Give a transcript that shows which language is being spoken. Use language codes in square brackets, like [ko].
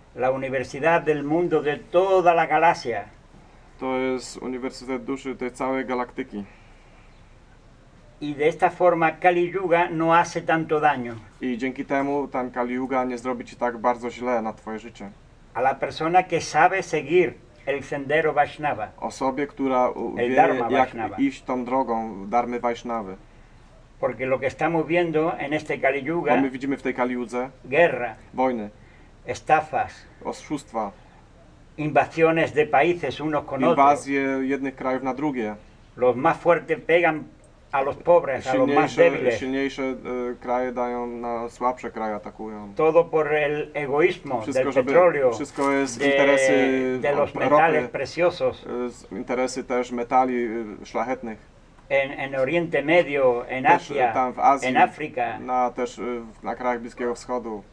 [es] La universidad del mundo de toda la galaxia. [pl] To jest uniwersytet duszy tej całej galaktyki. [es] Y de esta forma Kali Yuga no hace tanto daño. [pl] I dzięki temu ten Kali Yuga nie zrobi ci tak bardzo źle na twoje życie. [es] A la persona que sabe seguir el sendero Vaishnava. [pl] Osobie, która wie, jak iść tą drogą darmy Vaishnavy. [es] Porque lo que estamos viendo en este Kali Yuga. [pl] Bo my widzimy w tej Kali Yudze. [es] Guerra. [pl] Wojny. [es] Estafas. [pl] Oszustwa. [es] Invasiones de países unos con otros. [pl] Inwazje jednych krajów na drugie. [es] Los más fuertes pegan a los pobres, [pl] silniejsze, [es] a los más débiles. [pl] Silniejsze kraje dają na słabsze kraje atakują. [es] Todo por el egoísmo wszystko, del petróleo. [pl] Wszystko jest interesy [es] de los metales preciosos. [pl] Interesy też metali szlachetnych. [es] En Oriente Medio, en Asia, [pl] tam w Azji, [es] en África. [pl] Na też na krajach Bliskiego Wschodu.